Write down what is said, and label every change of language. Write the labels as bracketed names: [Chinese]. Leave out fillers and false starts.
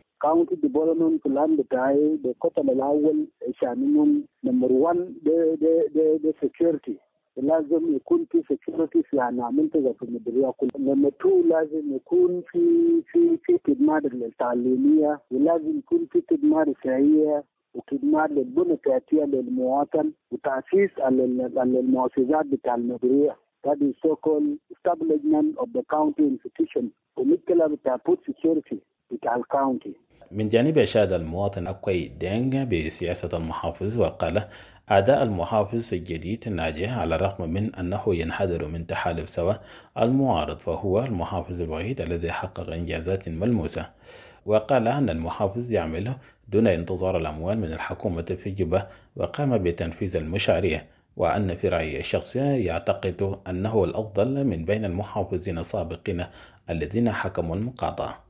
[English] County development plan [Arabic] بتاعي ده قطب الأول شاملهم نمبر 1 ده security، لازم يكون في security في منطقة في المدرية كلها. نمبر 2 لازم يكون في خدمات التعليمية، ولازم يكون في خدمات رفاهية وخدمات للبنية التحتية للمواطن وتأسيس المؤسسات بتاع المدرية. [English] That is so called establishment of the county institution [Arabic] ومثلا بتاع [English] put security [Arabic] بتاع الكاونتي. من جانب أشاد المواطن أكوي دينغ بسياسة المحافظ، وقال أداء المحافظ الجديد ناجح على الرغم من أنه ينحدر من تحالف سوا المعارض، فهو المحافظ الوحيد الذي حقق إنجازات ملموسة. وقال أن المحافظ يعمله دون انتظار الأموال من الحكومة في جوبا، وقام بتنفيذ المشاريع، وأن في رأيه الشخصي يعتقد أنه الأفضل من بين المحافظين السابقين الذين حكموا المقاطعة.